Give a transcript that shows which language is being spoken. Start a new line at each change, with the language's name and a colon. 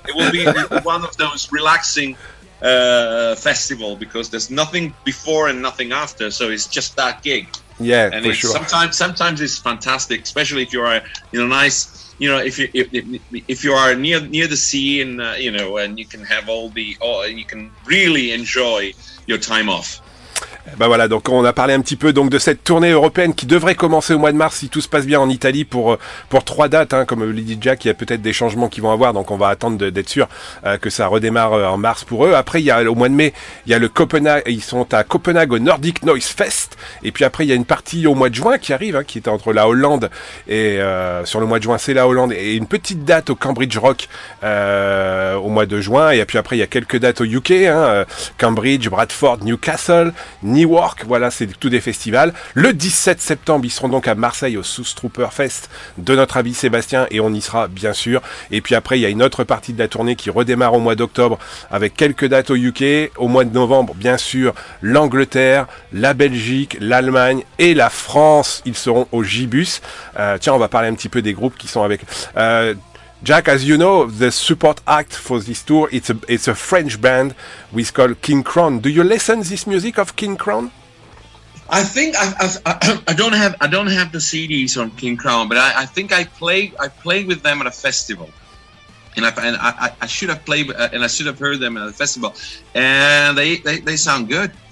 English: It will be one of those relaxing festival because there's nothing before and nothing after, so it's just that gig. Yeah, and for it's sure. Sometimes it's fantastic, especially if you are in a nice, you know, if you are near the sea, and you know, and you can have all the, or you can really enjoy your time off.
French: Ben voilà, donc on a parlé un petit peu donc de cette tournée européenne qui devrait commencer au mois de mars si tout se passe bien en Italie pour trois dates, hein, comme l'a dit Jack, il y a peut-être des changements qui vont avoir, donc on va attendre d'être sûr que ça redémarre en mars pour eux. Après il y a au mois de mai, il y a le Copenhague, ils sont à Copenhague au Nordic Noise Fest, et puis après il y a une partie au mois de juin qui arrive, hein, qui est entre la Hollande et sur le mois de juin c'est la Hollande, et une petite date au Cambridge Rock au mois de juin, et puis après il y a quelques dates au UK, hein, Cambridge, Bradford, Newcastle, Newark, voilà, c'est tous des festivals. Le 17 septembre, ils seront donc à Marseille au Soustrooper Fest de notre ami Sébastien, et on y sera bien sûr. Et puis après, il y a une autre partie de la tournée qui redémarre au mois d'octobre avec quelques dates au UK. Au mois de novembre, bien sûr, l'Angleterre, la Belgique, l'Allemagne et la France. Ils seront au Gibus. Tiens, on va parler un petit peu des groupes qui sont avec.
English: Jack, as you know, the support act for this tour, it's a French band, we call King Crown. Do you listen to this music of King Crown? I think I don't have the CDs on King Crown, but I think I played with them at a festival, and I should have heard them at a festival, and they sound good.